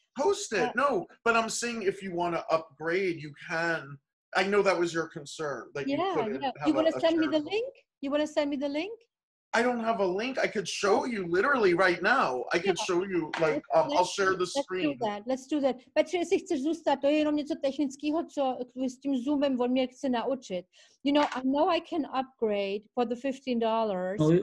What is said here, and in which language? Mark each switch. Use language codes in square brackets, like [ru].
[en] Host it. No, but I'm saying if you want to upgrade, you can. I know that was your concern. You want to send me the link? You want to send me the link? I don't have a link. I could show you literally right now. I could show you, like, I'll share the screen. Let's do that. [cs] Petře, jestli chceš zůstat, to je jenom něco technického, co s tím Zoomem on mě chce naučit. [en] You know, I know I can upgrade for the $15.